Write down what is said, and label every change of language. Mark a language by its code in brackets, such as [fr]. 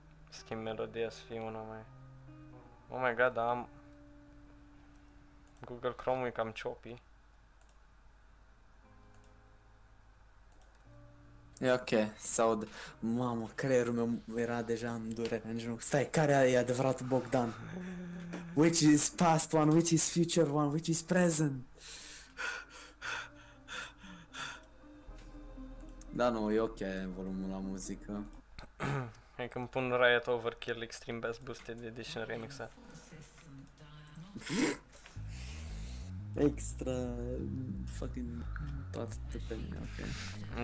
[ro] Schimb melodia să fie una mai... [en] Oh my god, [ro] am... Google Chrome-ul e cam choppy. E ok, sau de... Mamă, creierul meu era deja în durere, în genunchi. Stai, care e adevărat Bogdan? [en] Which is past one, which is future one, which is present? [ro] Da, nu, e ok volumul la muzică. Hai că-mi pun Riot Overkill Extreme Bass Boosted Edition remixat. Extra... fucking... toate tăpenii, ok.